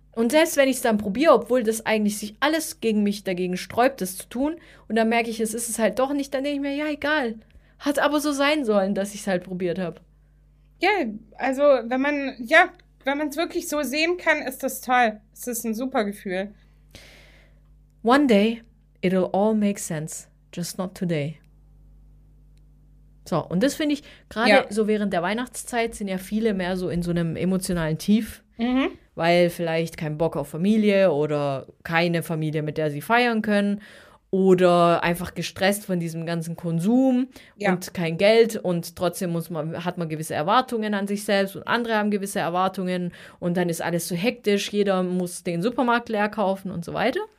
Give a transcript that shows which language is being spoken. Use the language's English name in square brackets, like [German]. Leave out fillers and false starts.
[German] Und selbst wenn ich es dann probiere, obwohl das eigentlich sich alles gegen mich dagegen sträubt, das zu tun, und dann merke ich, es ist es halt doch nicht, dann denke ich mir, ja, egal. Hat aber so sein sollen, dass ich es halt probiert habe. Ja, also wenn man, ja, wenn man es wirklich so sehen kann, ist das toll. Es ist ein super Gefühl. [English] One day, it'll all make sense. Just not today. [German] So, und das finde ich, gerade so während der Weihnachtszeit sind ja viele mehr so in so einem emotionalen Tief, weil vielleicht kein Bock auf Familie oder keine Familie, mit der sie feiern können oder einfach gestresst von diesem ganzen Konsum und kein Geld und trotzdem muss man, hat man gewisse Erwartungen an sich selbst und andere haben gewisse Erwartungen und dann ist alles so hektisch, jeder muss den Supermarkt leer kaufen und so weiter.